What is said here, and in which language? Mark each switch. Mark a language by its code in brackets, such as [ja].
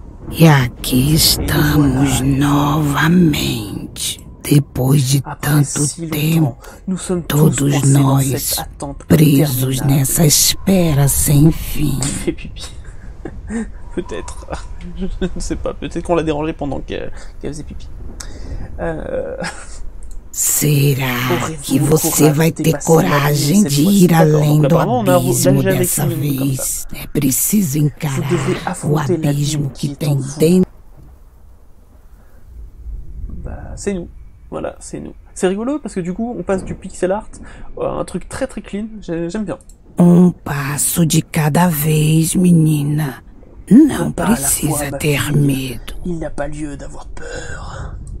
[pt] E aqui estamos novamente, depois de tanto tempo, todos nós presos nessa espera sem fim. [fr] Peut-être, je ne sais pas, peut-être qu'on l'a dérangé pendant qu'elle faisait pipi. [pt] Será que você vai ter coragem de ir além do abismo dessa vez? É preciso encarar o abismo que tem dentro. [fr] C'est nous. Voilà, c'est nous. C'est rigolo parce que du coup, on passe du pixel art à un truc très très clean. J'aime bien. [pt] Um passo de cada vez, menina. Não precisa ter medo. [fr] Il n'a pas lieu d'avoir peur.